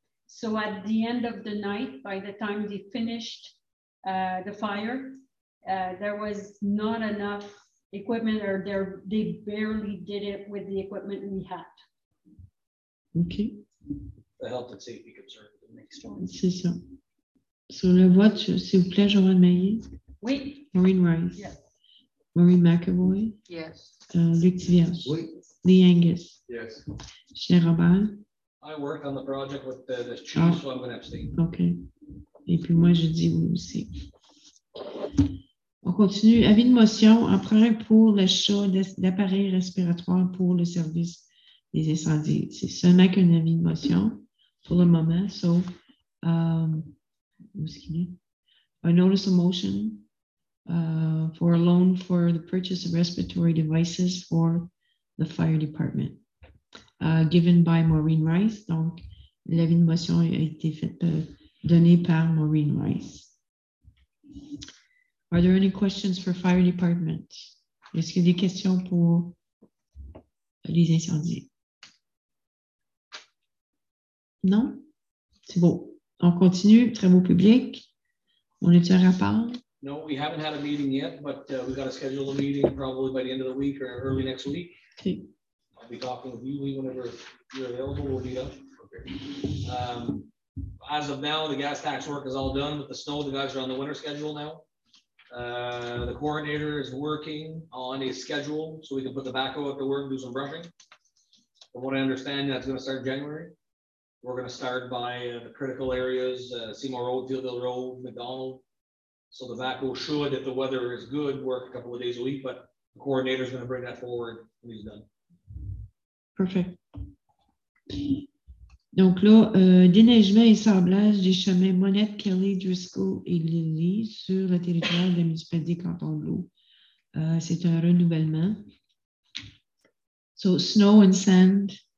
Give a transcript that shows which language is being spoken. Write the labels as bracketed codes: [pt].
[en] So at the end of the night, by the time they finished the fire, there was not enough equipment, or they barely did it with the equipment we had. Okay. The health and safety concern the next one. [fr] C'est ça. Sur le vote, s'il vous plaît, Joanne Maillet. Oui. Maureen Rice. [en] Yes. Maureen McAvoy. Yes. Luc Thivierge. [fr] Oui. Lee Angus. [en] Yes. Chien Robert. I work on the project with the chief, so I'm going to abstain. [fr] Okay. Et puis moi, je dis oui aussi. On continue. Avis de motion. Emprunt pour l'achat d'appareils respiratoires pour le service des incendies. C'est seulement qu'un avis de motion pour le moment. So, où est-ce qu'il est? [en] A notice of motion for a loan for the purchase of respiratory devices for the fire department. Given by Maureen Rice. [fr] Donc, l'avis de motion a été fait donné par Maureen Rice. [en] Are there any questions for fire department? [fr] Est-ce qu'il y a des questions pour les incendies? Non? C'est bon. On continue. Travaux publics. On est-tu à rapport? [en] No, we haven't had a meeting yet, but we've got to schedule a meeting probably by the end of the week or early next week. Okay. I'll be talking with you whenever you're available. We'll meet up. Okay. As of now, the gas tax work is all done with the snow. The guys are on the winter schedule now. The coordinator is working on a schedule so we can put the backhoe up to work and do some brushing. From what I understand, that's going to start January. We're going to start by the critical areas, Seymour Road, Fieldville Road, McDonald. So the backhoe should, if the weather is good, work a couple of days a week, but the coordinator is going to bring that forward when he's done. Perfect. [fr] Donc là, déneigement et sablage des chemins Monette, Kelly, Driscoll et Lily sur le territoire de la municipalité Cantonblou. C'est un renouvellement. [en] So, snow and sand.